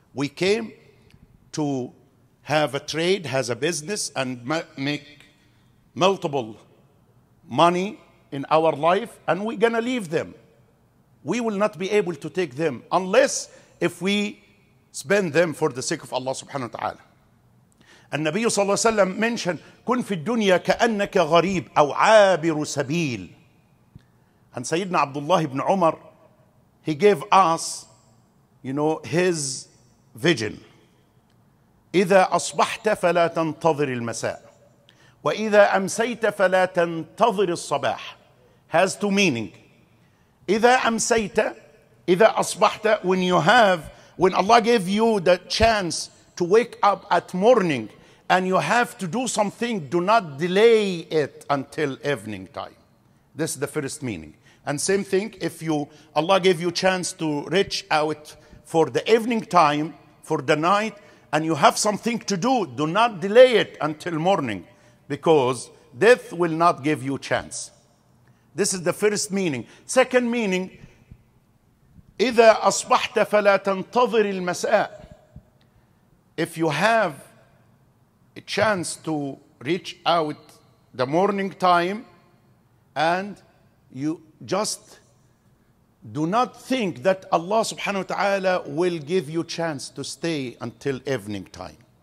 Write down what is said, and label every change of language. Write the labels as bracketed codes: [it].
[en] We came to have a trade, has a business, and make multiple money in our life, and we're going to leave them. We will not be able to take them unless if we spend them for the sake of Allah subhanahu wa ta'ala. And Nabi sallallahu alayhi wa sallam mentioned, [ar] كن في الدنيا كأنك غريب أو عابر سبيل. [en] And Sayyidina Abdullah ibn Umar, he gave us, you know, his vision. [ar] إذا أصبحت فلا تنتظر المساء وإذا أمسيت فلا تنتظر الصباح. [en] Has two meaning. [ar] إذا أمسيت, إذا أصبحت, [en] when you have, when Allah gave you the chance to wake up at morning and you have to do something, do not delay it until evening time. This is the first meaning. And same thing, if you Allah gave you a chance to reach out for the evening time, for the night, and you have something to do, do not delay it until morning, because death will not give you a chance. This is the first meaning. Second meaning, [ar] إذا أصبحت فلا تنتظر المساء. [en] If you have a chance to reach out the morning time, and you just do not think that Allah subhanahu wa ta'ala will give you a chance to stay until evening time.